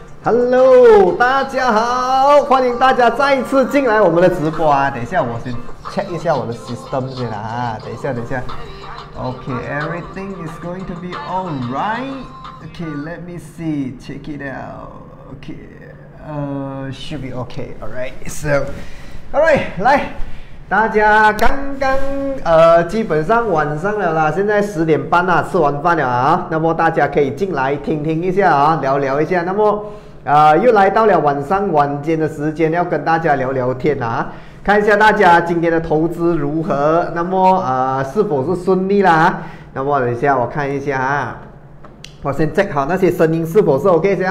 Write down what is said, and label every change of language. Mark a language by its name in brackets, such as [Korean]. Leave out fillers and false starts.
[Chinese] Hello， 大家好，欢迎大家再一次进来我们的直播啊！等一下，我先 check 一下我的 system 先啊！等一下，等一下 [English] ，OK， everything is going to be all right. Okay, let me see, check it out. Okay, should be okay. All right, so, all right, [Chinese] 来，大家刚刚基本上晚上了啦，现在十点半啦，吃完饭了啊，那么大家可以进来听听一下啊，聊聊一下，那么。又来到了晚上晚间的时间，要跟大家聊聊天啊，看一下大家今天的投资如何，那么是否是顺利啦，那么等一下我看一下啊，我先 check 好那些声音是否是 OK 先。